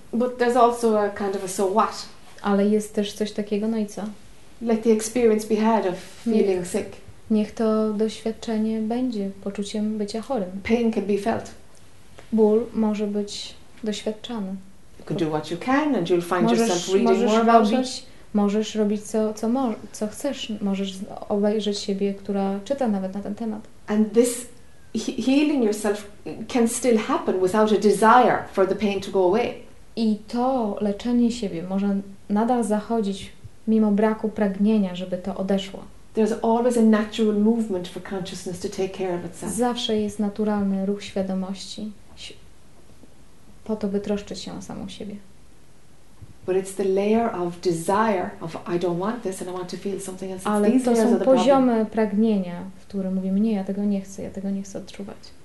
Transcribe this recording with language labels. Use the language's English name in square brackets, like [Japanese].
[English] But there's also a kind of a so what. [Polish] Ale jest też coś takiego, no i co? [English] Let the experience be had of feeling sick. [Polish] Niech to doświadczenie będzie poczuciem bycia chorym. [English] Pain can be felt. [Polish] Ból może być doświadczany. [English] You can do what you can and you'll find [Polish] możesz, [English] yourself reading [Polish] możesz [English] more about [Polish] robić, możesz robić co chcesz. Możesz obejrzeć siebie, która czyta nawet na ten temat. [English] And this healing yourself can still happen without a desire for the pain to go away. [Polish] I to leczenie siebie może nadal zachodzić mimo braku pragnienia, żeby to odeszło. [English] There's always a natural movement for consciousness to take care of itself. [Polish] Zawsze jest naturalny ruch świadomości po to, by troszczyć się o samą siebie. [English] But it's the layer of desire of I don't want this and I want to feel something else. [Polish] Ale to są poziomy pragnienia, w którym mówimy nie, ja tego nie chcę odczuwać.